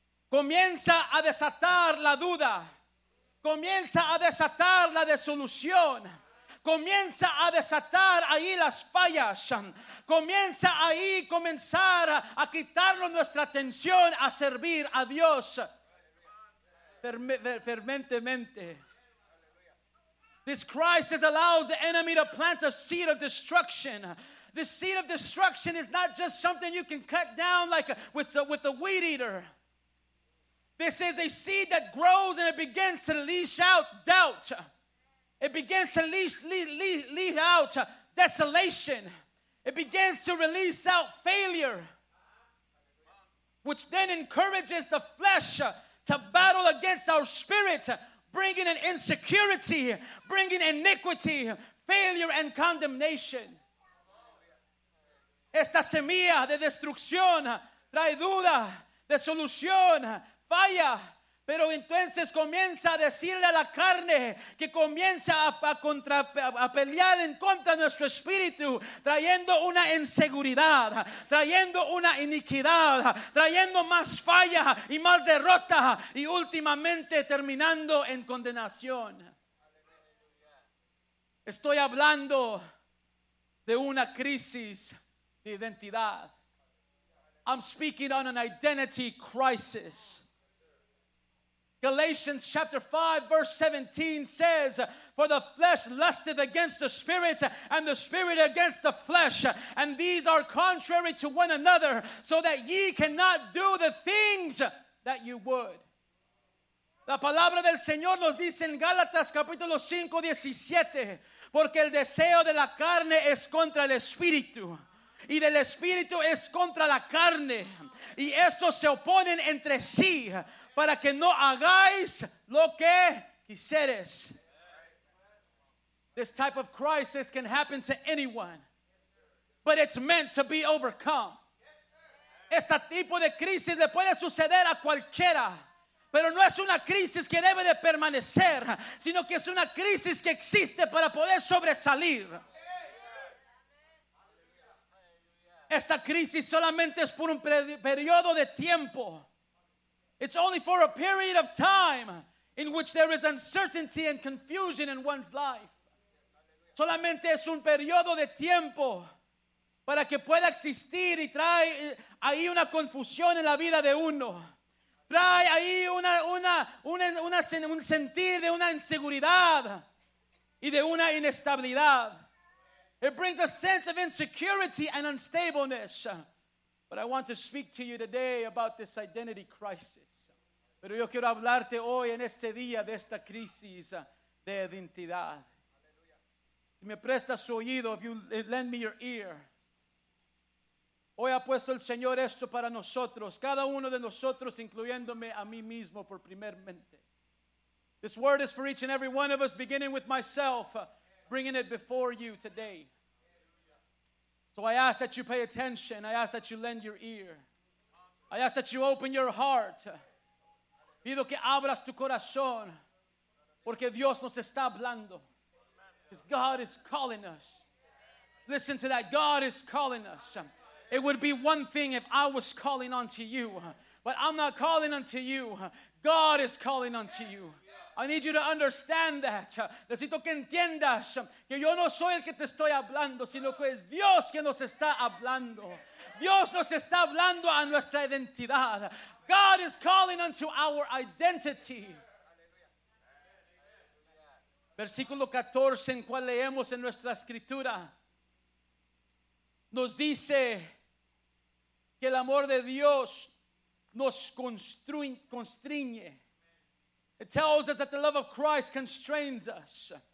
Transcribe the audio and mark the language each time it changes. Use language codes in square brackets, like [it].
[es] Comienza a desatar la duda. Comienza a desatar la desolución. Comienza a desatar ahí las fallas. Comienza ahí comenzar a quitarnos nuestra atención a servir a Dios fervientemente. [en] This crisis allows the enemy to plant a seed of destruction. This seed of destruction is not just something you can cut down like with a weed eater. This is a seed that grows and it begins to leash out doubt. It begins to leash out desolation. It begins to release out failure, which then encourages the flesh to battle against our spirit, bringing an insecurity, bringing iniquity, failure, and condemnation. [es] Esta semilla de destrucción trae duda, desolución, falla. Pero entonces comienza a decirle a la carne que comienza a pelear en contra de nuestro espíritu, trayendo una inseguridad, trayendo una iniquidad, trayendo más falla y más derrota, y últimamente terminando en condenación. Estoy hablando de una crisis de identidad. [en] I'm speaking on an identity crisis. Galatians chapter 5 verse 17 says, "For the flesh lusteth against the spirit, and the spirit against the flesh, and these are contrary to one another, so that ye cannot do the things that you would." [es] La palabra del Señor nos dice en Gálatas capítulo 5 17, "Porque el deseo de la carne es contra el espíritu, y del espíritu es contra la carne, y estos se oponen entre sí, para que no hagáis lo que quisieres." [en] This type of crisis can happen to anyone, but it's meant to be overcome. [es] Este tipo de crisis le puede suceder a cualquiera, pero no es una crisis que debe de permanecer, sino que es una crisis que existe para poder sobresalir. Esta crisis solamente es por un periodo de tiempo. [en] It's only for a period of time in which there is uncertainty and confusion in one's life. [es] Solamente es un periodo de tiempo para que pueda existir y trae ahí una confusión en la vida de uno. Trae ahí un sentir de una inseguridad y de una inestabilidad. [en] It brings a sense of insecurity and unstableness. But I want to speak to you today about this identity crisis. [es] Pero yo quiero hablarte hoy en este día de esta crisis de identidad. Si me prestas su oído, if you lend me your ear. Hoy ha puesto el Señor esto para nosotros, cada uno de nosotros, incluyéndome a mí mismo por primeramente. [en] This word is for each and every one of us, beginning with myself, bringing it before you today. So I ask that you pay attention. I ask that you lend your ear. I ask that you open your heart. [es] Pido que abras tu corazón, porque Dios nos está hablando. [en] Because God is calling us. Listen to that. God is calling us. It would be one thing if I was calling unto you, but I'm not calling unto you. God is calling unto you. I need you to understand that. [es] Necesito que entiendas que yo no soy el que te estoy hablando, sino que es Dios que nos está hablando. Dios nos está hablando a nuestra identidad. God is calling unto our identity. Versículo 14, en cual leemos en nuestra escritura, nos dice que el amor de Dios nos constriñe. [en] It tells us that the love of Christ constrains us.